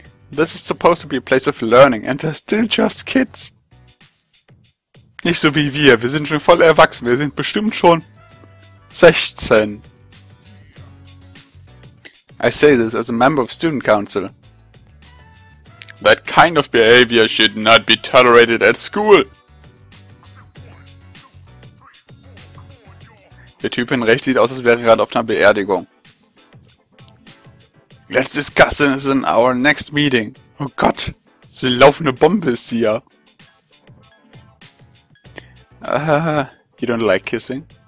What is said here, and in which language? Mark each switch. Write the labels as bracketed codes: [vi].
[en] This is supposed to be a place of learning, and they're still just kids. [de] Nicht so wie wir, wir sind schon voll erwachsen, wir sind bestimmt schon 16. [en] I say this as a member of student council. That kind of behavior should not be tolerated at school. [de] Der Typ in rechts sieht aus, als wäre gerade auf einer Beerdigung. [en] Let's discuss this in our next meeting. [de] Oh Gott, so eine laufende Bombe ist sie ja. [en] You don't like kissing?